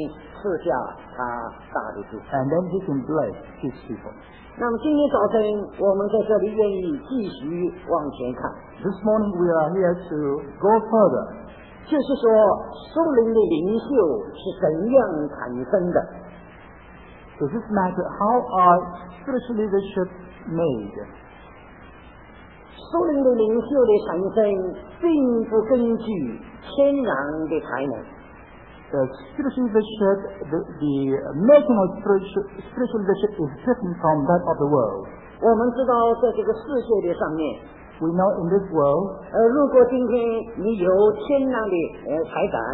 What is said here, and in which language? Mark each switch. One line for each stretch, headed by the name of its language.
Chinese: 他就能在神的儿女中间赐下他大的祝福。
English: And then he can bless his people.
Chinese: 那么今天早晨我们在这里愿意继续往前看。
English: This morning we are here to go further.
Chinese: 就是说属灵的领袖是怎样产生的。
English: So this matter, how are spiritual leadership made?
Chinese: 属灵的领袖的产生并不根据天然的才能。
English: The spiritual leadership, the making of spiritual leadership is different from that of the world.
Chinese: 我们知道在这个世界的上面，
English: we know in this world,
Chinese: 如果今天你有天然的才干，